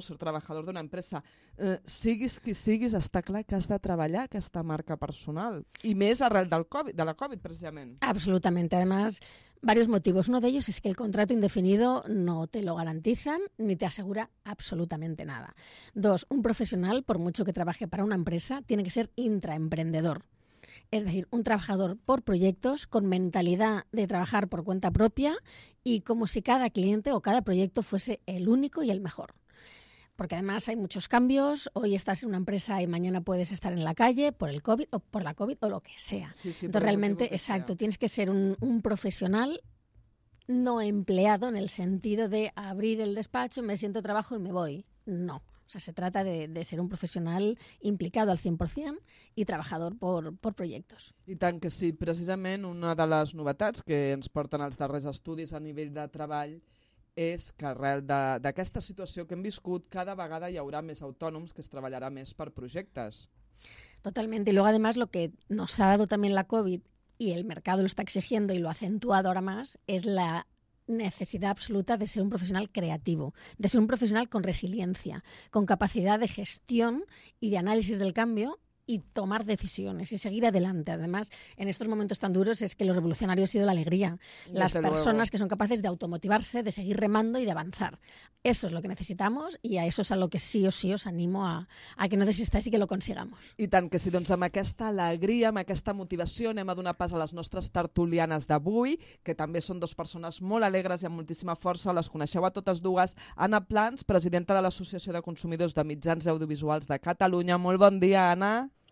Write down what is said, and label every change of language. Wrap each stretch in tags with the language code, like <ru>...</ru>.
<ca>Ser treballador d'una empresa. Siguis qui siguis, està clar que has de treballar aquesta marca personal. I més arrel del COVID, de la Covid, precisament.</ca> <es>Absolutament. Además, varios motivos. Uno de ellos es que el contrato indefinido no te lo garantizan ni te asegura absolutamente nada. Dos, un profesional, por mucho que trabaje para una empresa, tiene que ser intraemprendedor. Es decir, un trabajador por proyectos con mentalidad de trabajar por cuenta propia y como si cada cliente o cada proyecto fuese el único y el mejor. Porque además hay muchos cambios, hoy estás en una empresa y mañana puedes estar en la calle por el COVID o por la COVID o lo que sea. Sí, sí, entonces realmente, exacto, tienes que ser un profesional no empleado en el sentido de abrir el despacho, me siento trabajo y me voy. No, o sea, se trata de ser un profesional implicado al 100% y trabajador por proyectos.</es> <ca>I tant que sí, precisament una de les novetats que ens porten els darrers estudis a nivell de treball és que arrel d'aquesta situació que hem viscut, cada vegada hi haurà més autònoms que es treballarà més per projectes. Totalment.</ca> <es>I luego, además, lo que nos ha dado también la COVID y el mercado lo está exigiendo y lo ha acentuado ahora más, es la necesidad absoluta de ser un profesional creativo, de ser un profesional con resiliencia, con capacidad de gestión y de análisis del cambio y tomar decisiones y seguir adelante. Además, en estos momentos tan duros es que lo revolucionario ha sido la alegría. Las personas que son capaces de automotivarse, de seguir remando y de avanzar. Eso es lo que necesitamos y a eso es a lo que sí o sí os animo a que no desistáis y que lo consigamos.</es> <ca>I tant que sí, doncs amb aquesta alegria, amb aquesta motivació, anem a donar pas a les nostres tertulianes d'avui, que també són dues persones molt alegres i amb moltíssima força. Les coneixeu a totes dues. Anna Plans, presidenta de l'Associació de Consumidors de Mitjans Audiovisuals de Catalunya. Molt bon dia, Anna.</ca>